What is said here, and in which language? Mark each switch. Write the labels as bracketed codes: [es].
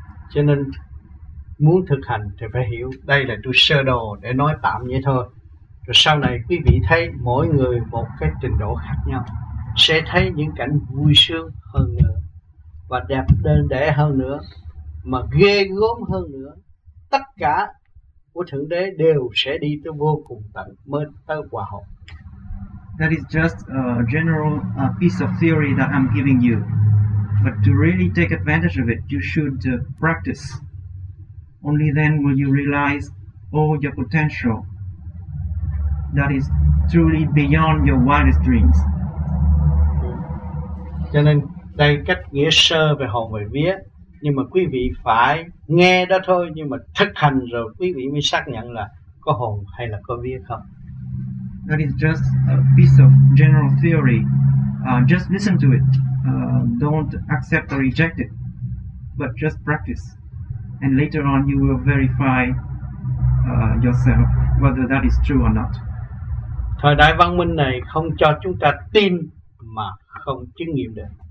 [vi] Cho nên muốn thực hành thì phải hiểu đây là tôi sơ đồ để nói tạm vậy thôi, rồi sau này quý vị thấy mỗi người một cái trình độ khác nhau sẽ thấy những cảnh vui sướng hơn nữa và đẹp đơn đẽ hơn nữa mà ghê gớm hơn nữa. Tất cả của Thượng Đế đều sẽ đi tới vô cùng tận mới tới hòa hợp. [en] That is just a general piece of theory that I'm giving you, but to really take advantage of it you should practice. Only then will you realize all your potential that is truly beyond your wildest dreams. [vi] Cho nên đây cách nghĩa sơ về hồn về vía, nhưng mà quý vị phải nghe đó thôi, nhưng mà thực hành rồi quý vị mới xác nhận là có hồn hay là có vía không. [en] That is just a piece of general theory. Just listen to it. Don't accept or reject it, but just practice. And later on you will verify yourself whether that is true or not. [vi] Thời đại văn minh này không cho chúng ta tin mà không chứng nghiệm được.